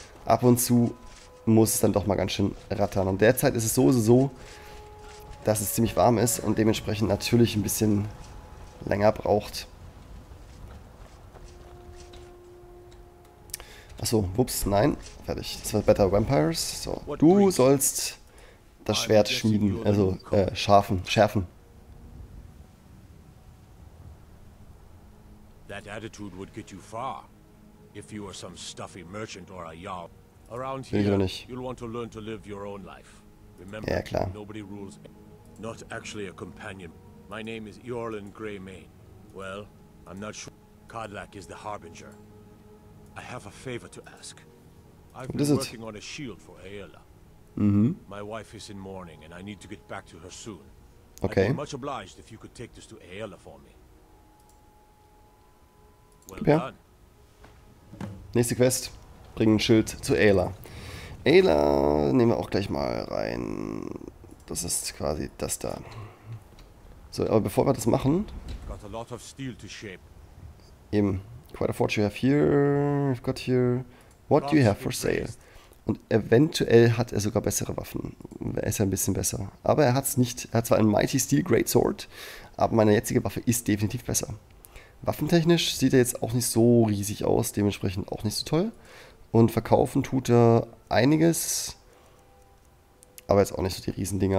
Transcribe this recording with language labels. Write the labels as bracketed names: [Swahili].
[German] Ab und zu muss es dann doch mal ganz schön rattern. Und derzeit ist es so, dass es ziemlich warm ist und dementsprechend natürlich ein bisschen länger braucht. Achso, wups, nein. Fertig. Das war Better Vampires. So, du sollst das Schwert schmieden, also schärfen. [English] That attitude would get you far. If you were some stuffy merchant or a yarl. Around here, you'll want to learn to live your own life. Remember, [German] ja, klar. [English] Nobody rules. Not actually a companion. My name is Eorlin Greymane. Well, I'm not sure. Kadlak is the harbinger. I have a favor to ask. I've been working on a shield for Aella. My wife is in mourning and I need to get back to her soon. Okay. I'd be much obliged if you could take this to Aella for me. Well done. [German] Nächste Quest. Bring ein Schild zu Aella. Aella nehmen wir auch gleich mal rein. Das ist quasi das da. So, aber bevor wir das machen. [English] Got a lot of steel to shape. [German] Eben. [English] Quite a fortune you have here. I've got here. What do you have for sale? [German] Und eventuell hat er sogar bessere Waffen. Er ist ja ein bisschen besser. Aber er hat es nicht. Er hat zwar einen Mighty Steel Great Sword, aber meine jetzige Waffe ist definitiv besser. Waffentechnisch sieht er jetzt auch nicht so riesig aus, dementsprechend auch nicht so toll. Und verkaufen tut er einiges, aber jetzt auch nicht so die Riesendinger.